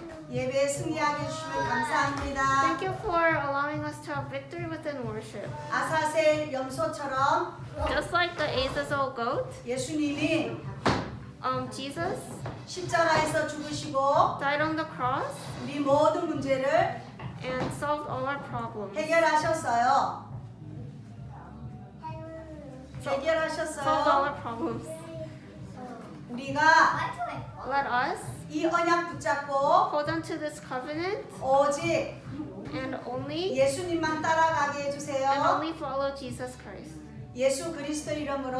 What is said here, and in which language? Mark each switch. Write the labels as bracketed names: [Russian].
[Korean] 예배에 승리하게 주시면 감사합니다. [English] Thank you for allowing us to have victory within worship. [Korean] 아사셀 염소처럼 [English] Just like the Azazel goat [Korean] 예수님이 [English] Jesus [Korean] 십자가에서 죽으시고 [English] died on the cross [Korean] 우리 모든 문제를 [English] and solved all our problems [Korean] 해결하셨어요. [English] Solved all our problems. [Korean] 우리가 [English] let us [Korean] 이 언약 붙잡고 [English] hold on to this covenant [Korean] 오직 [English] and only [Korean] 예수님만 따라가게 해주세요. [English] And only follow Jesus Christ. [Korean] 예수 그리스도 이름으로